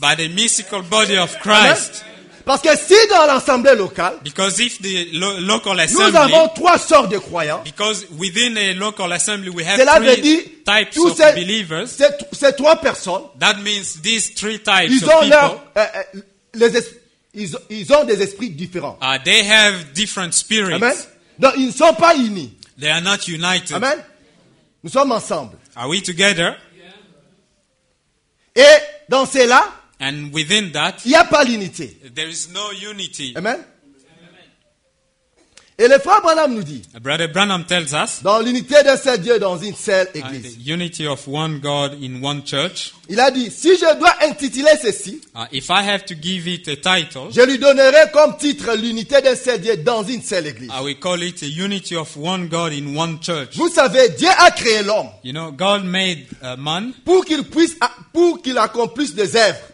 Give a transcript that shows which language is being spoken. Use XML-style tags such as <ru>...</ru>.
<en>By the mystical body of Christ. Amen.</en> <fr>Parce que si dans l'assemblée locale.</fr> <en>Because if the local assembly.</en> <fr>Nous avons trois sortes de croyants.</fr> <en>Because within a local assembly we have three types of believers.</en> <fr>C'est trois personnes.</fr> <en>That means these three types</en> <fr>ils ont</fr> <en>of people.</en> <fr>Ils ont des esprits différents.</fr> <en>They have different spirits. Amen.</en> <fr>Donc ils ne sont pas unis.</fr> <en>They are not united.</en> <fr>Amen. Nous sommes ensemble.</fr> <en>Are we together?</en> <fr>Et dans cela,</fr> <en>and within that,</en> <fr>il n'y a pas l'unité.</fr> <en>There is no unity. Amen.</en> <fr>Et le frère Branham nous dit,</fr> <en>Brother Branham tells us,</en> <fr>dans l'unité de ce Dieu dans une seule église,</fr> <en>the unity of one God in one church,</en> <fr>il a dit, si je dois intituler ceci,</fr> <en>if I have to give it a title,</en> <fr>je lui donnerai comme titre l'unité de ce Dieu dans une seule église.</fr> <en>I will call it a unity of one God in one church.</en> <fr>Vous savez, Dieu a créé l'homme,</fr> <en>you know, God made a man,</en> <fr>pour qu'il accomplisse des œuvres.</fr>